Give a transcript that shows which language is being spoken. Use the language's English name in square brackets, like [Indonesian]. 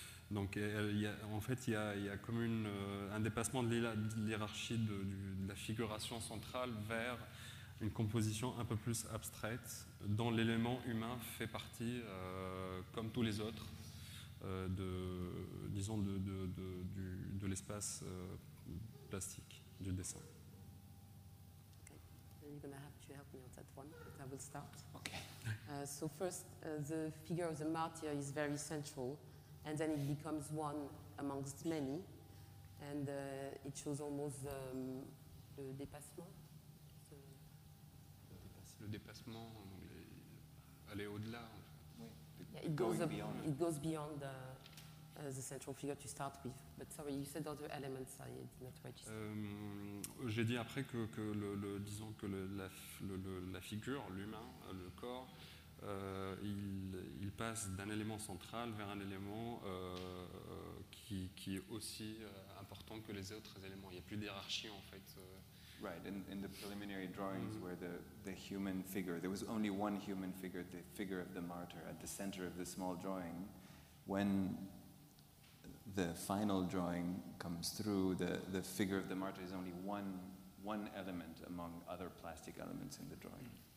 [French] Donc, il y a comme un dépassement de l'hiérarchie de la figuration centrale vers une composition un peu plus abstraite, dont l'élément humain fait partie, comme tous les autres, de l'espace plastique du dessin. [English] You're going to have to help me on that one, but I will start. Okay. So first, the figure of the martyr is very central, and then it becomes one amongst many, and it shows almost le dépassement. [French] Le dépassement, en anglais, aller au-delà. En fait. [English] Oui. Yeah, it, goes going beyond. It goes beyond the central figure to start with. But sorry, you said other elements I did not register. [French] J'ai dit après que la figure, l'humain, le corps, il passe d'un élément central vers un élément qui est aussi important que les autres éléments. Il n'y a plus d'hierarchie en fait. [English] Right, in the preliminary drawings where the human figure, there was only one human figure, the figure of the martyr at the center of the small drawing. When the final drawing comes through, the figure of the martyr is only one element among other plastic elements in the drawing.